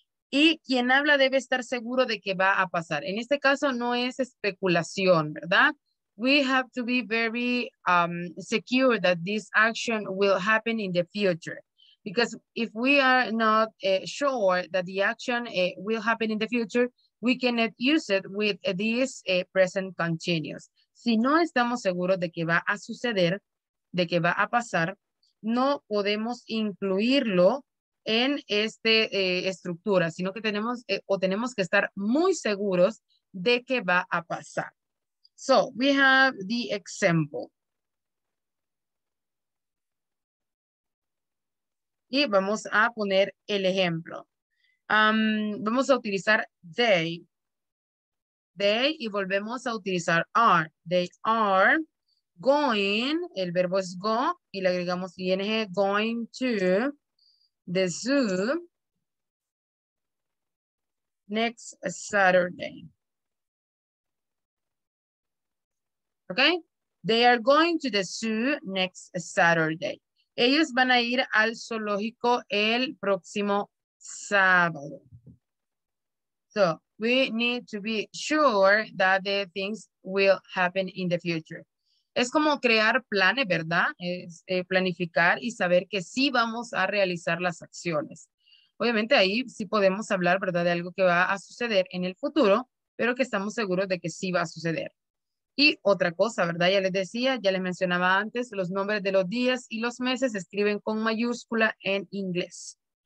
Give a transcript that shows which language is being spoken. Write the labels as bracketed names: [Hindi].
[Spanish] Y quien habla debe estar seguro de que va a pasar. En este caso no es especulación, ¿verdad? [English] We have to be very secure that this action will happen in the future. Because if we are not sure that the action will happen in the future, we cannot use it with this present continuous. [Spanish] Si no estamos seguros de que va a suceder, de que va a pasar, no podemos incluirlo en esta estructura, sino que tenemos o tenemos que estar muy seguros de que va a pasar. [English] So, we have the example. [Spanish] Y vamos a poner el ejemplo. Vamos a utilizar they. They, y volvemos a utilizar are. [English] They are going, [Spanish] el verbo es [English] go, [Spanish] y le agregamos [English] ing, going to the zoo next Saturday. Okay? They are going to the zoo next Saturday. [Spanish] Ellos van a ir al zoológico el próximo sábado. [English] So, we need to be sure that the things will happen in the future. [Spanish] Es como crear planes, ¿verdad? Es planificar y saber que sí vamos a realizar las acciones. Obviamente ahí sí podemos hablar, ¿verdad? De algo que va a suceder en el futuro, pero que estamos seguros de que sí va a suceder. Y otra cosa, ¿verdad? Ya les decía, ya les mencionaba antes, los nombres de los días y los meses se escriben con mayúscula en inglés.